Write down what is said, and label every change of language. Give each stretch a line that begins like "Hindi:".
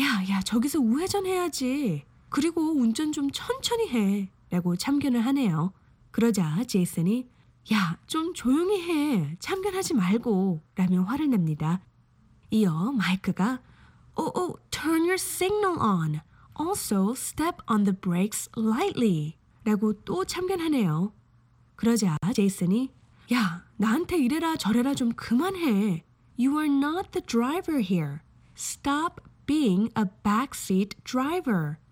Korean: 야, 저기서 우회전해야지. 그리고 운전 좀 천천히 해 라고 참견을 하네요. 그러자 제이슨이 야, 좀 조용히 해. 참견하지 말고 라며 화를 냅니다. 이어 마이크가
English: turn your signal on. Also step on the brakes lightly
Korean: 라고 또 참견하네요. 그러자 제이슨이 야, 나한테 이래라 저래라 좀 그만해.
English: You are not the driver here. Stop being a backseat driver.